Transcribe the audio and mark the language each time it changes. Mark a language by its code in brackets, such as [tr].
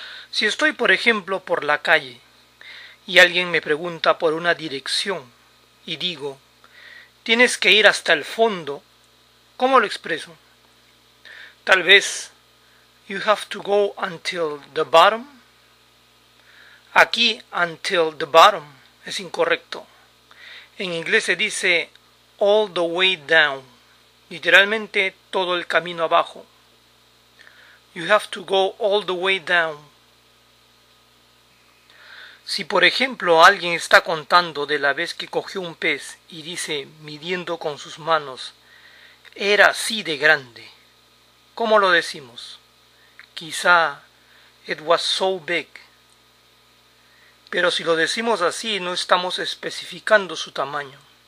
[es] Si estoy, por ejemplo, por la calle y alguien me pregunta por una dirección y digo, tienes que ir hasta el fondo, ¿cómo lo expreso? Tal vez, [en] you have to go until the bottom. [es] Aquí, [en] until the bottom, [es] es incorrecto. En inglés se dice, [en] all the way down, [es] literalmente, todo el camino abajo. [en] You have to go all the way down. [es] Si, por ejemplo, alguien está contando de la vez que cogió un pez y dice, midiendo con sus manos, era así de grande, ¿cómo lo decimos? Quizá, [en] it was so big. [es] Pero si lo decimos así, no estamos especificando su tamaño.